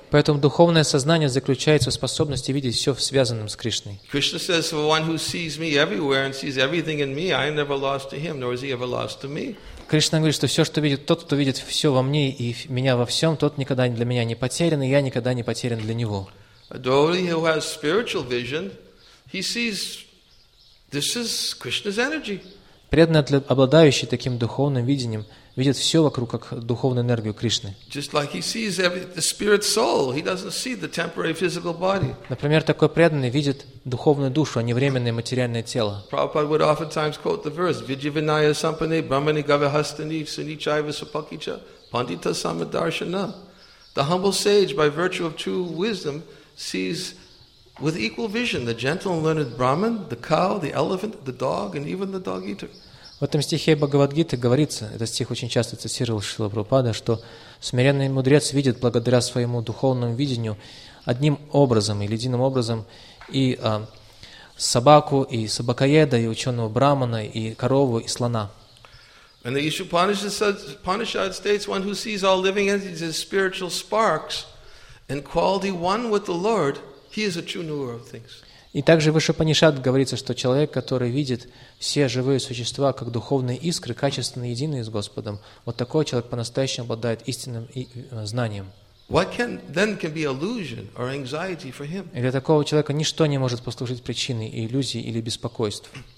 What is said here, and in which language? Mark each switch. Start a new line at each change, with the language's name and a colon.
Russian: Поэтому духовное сознание заключается в способности видеть все связанным с Кришной.
English: Krishna says, "For one who sees me everywhere and sees everything in me, I am never lost to him, nor is he ever lost to me."
Russian: Кришна говорит, что все, что видит тот, кто видит все во мне и меня во всем, тот никогда для меня не потерян, и я никогда не потерян для него.
English: A devotee who has spiritual vision, he sees this is Krishna's energy.
Russian: Преданный, обладающий таким духовным видением, видит все вокруг как духовную энергию Кришны.
English: Just like he sees the spirit soul, he doesn't see the temporary physical body.
Russian: Например, такой преданный видит духовную душу, а не временное материальное тело.
English: Prabhupada would oftentimes quote the verse:
Sanskrit: "Vijivinaya sampane brahmani gavahastani sunichaiva supakicha pandita samadarshana."
English: The humble sage, by virtue of true wisdom, sees with equal vision, the gentle and learned Brahman, the cow, the elephant, the dog, and even the dog eater.
Russian: В этом стихе Бхагавадгиты говорится, этот стих очень часто цитировал Шрила Прабхупада, что смиренный мудрец видит благодаря своему духовному видению одним образом или единым образом и собаку, и собакоеда, и ученого Брахмана, и корову, и слона.
English: And the Ishupanishad states, one who sees all living entities as spiritual sparks, And quality one with the Lord, he is a true knower of things.
Russian: И также в Упанишадах говорится, что человек, который видит все живые существа как духовные искры, качественно единые с Господом, вот такой человек по-настоящему обладает истинным знанием. И для такого человека ничто не может послужить причиной иллюзии или беспокойств.